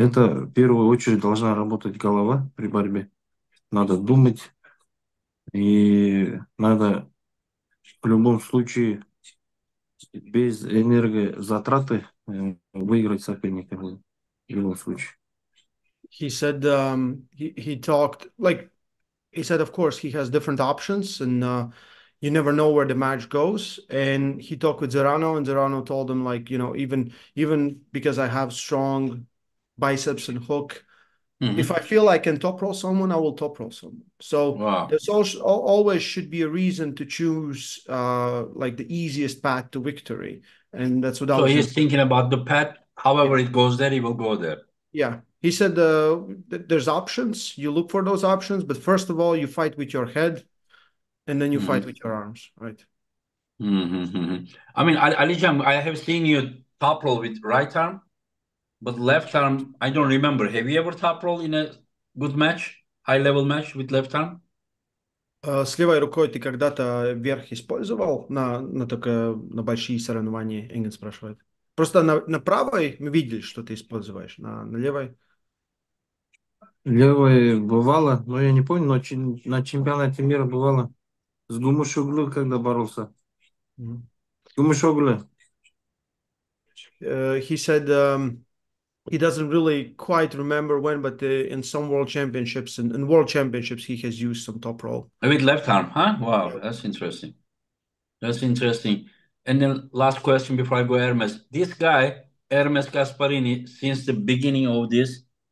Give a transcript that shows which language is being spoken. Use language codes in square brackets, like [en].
[ru] Это в первую очередь должна работать голова при борьбе. Надо думать. И надо в любом случае без энергозатраты выиграть соперника в любом случае. [en] He said, he said, of course, he has different options and you never know where the match goes. And he talked with Zerano and Zerano told him, like, you know, even because I have strong biceps and hook, mm-hmm. if I feel I can top roll someone, I will top roll someone. So there's always should be a reason to choose like the easiest path to victory. And that's what I was he's thinking about the path. However it goes there, he will go there. Yeah. He said there's options. You look for those options. But first of all, you fight with your head. And then you fight with your arms, right? Mm-hmm. I mean, Alizhan, I have seen you top roll with right arm. But left arm, I don't remember. Have you ever top roll in a good match, high-level match with left arm? [ru] С левой рукой ты когда-то вверх использовал на большие соревнования, Энгин спрашивает. Просто на правой мы видели, что ты используешь, на левой? Левой бывало, но я не помню, но на чемпионате мира бывало. С Гумушоглу когда боролся. Mm-hmm. Гумушоглу. [en] He said he doesn't really quite remember when, but in some world championships, in world championships, he has used some top roll. I mean, left arm, huh? Wow, that's interesting. That's interesting. And then last question before I go, Ermes. This guy, Ermes Gasparini, since the beginning of this